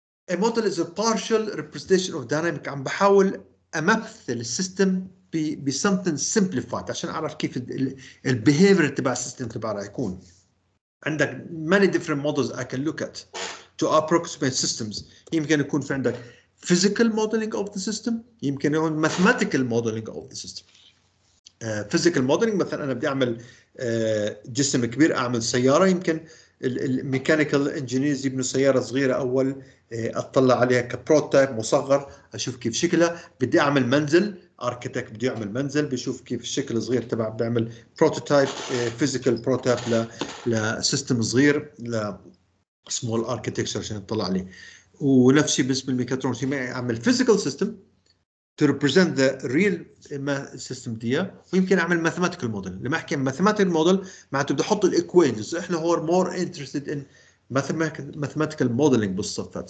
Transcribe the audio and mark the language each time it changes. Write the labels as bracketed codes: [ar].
[en] A model is a partial representation of dynamic. [ar] عم بحاول أمثل السيستم ب [en] something simplified [ar] عشان أعرف كيف ال behavior تبع السيستم تبع راح يكون. [en] عندك many different models I can look at to approximate systems. [ar] يمكن يكون في عندك [en] physical modeling of the system. يمكن يكون mathematical modeling of the system. [ar] Physical modeling مثلا أنا بدي أعمل جسم كبير, أعمل سيارة, يمكن الميكانيكال انجينيرز يبنوا سياره صغيره اول, اطلع عليها كبروتايب مصغر اشوف كيف شكلها. بدي اعمل منزل, اركيتك بده يعمل منزل بشوف كيف الشكل الصغير تبع, بيعمل بروتوتايب فيزيكال بروتايب لسيستم صغير ل سمول اركيتكتشر عشان يطلع عليه. ونفس الشيء بالنسبه للميكاترونكس, اعمل فيزيكال سيستم [en] to represent the real system [ar] دي, ويمكن اعمل mathematical model. لما احكي mathematical model معناته بدي احط الايكويشنز. احنا هو [en] more interested in mathematical modeling بالصفات.